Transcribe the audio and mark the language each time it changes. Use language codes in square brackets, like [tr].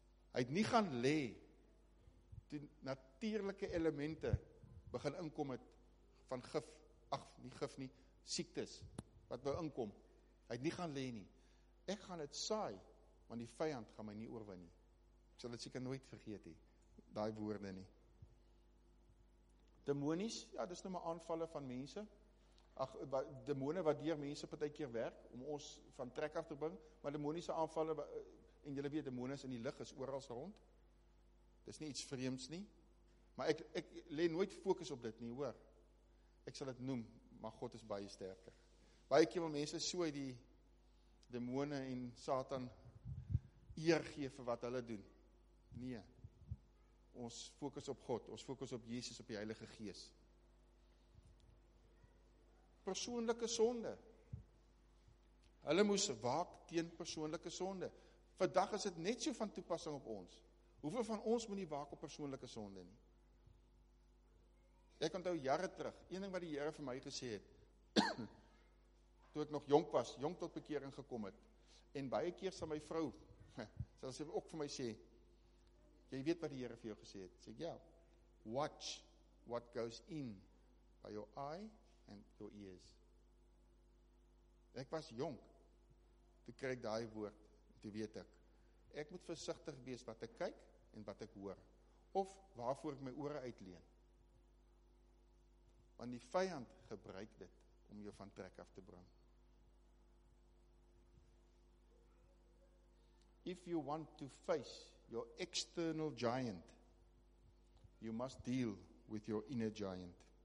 [af] Hy het nie gaan lê toe natuurlike elemente begin inkom het van gif, ag nie gif nie, siektes wat wou inkom. Hy het nie gaan lê nie. Ek gaan dit saai, want die vyand gaan my nie oorwin nie. Ek sal dit seker nooit vergeet nie, daai woorde nie. Demonies, ja, dis nou maar aanvalle van mense. Ag, demone wat deur mense partykeer werk om ons van trek af te bring, maar demoniese aanvalle en julle weet demone is in die lig is oral rond. Dis nie iets vreemds nie. Maar ek lê nooit fokus op dit nie, hoor. Ek sal dit noem, maar God is baie sterker. Baie keer wil mense so die demone en Satan eer gee vir wat hulle doen. Nee. Ons fokus op God, ons fokus op Jesus, op die Heilige Gees. Persoonlike sonde. Hulle moes waak teen persoonlike sonde. Vandag is dit net so van toepassing op ons. Hoeveel van ons moet nie waak op persoonlike sonde nie? Ek onthou jare terug, een ding wat die Here vir my gesê het, toe ek nog jonk was, jonk tot bekering gekom het, en baie keer sal my vrou, sal sy ook vir my sê, jy weet wat die Here vir jou gesê het, sê ek, ja, watch what goes in by your eye and your ears. Ek was jonk, toe kry ek daai woord, toe weet ek, ek moet versigtig wees wat ek kyk en wat ek hoor, of waarvoor ek my ore uitleen. Want die vyand gebruik dit om jou van trek af te bring. [en] If you want to face your external giant, you must deal with your inner giant.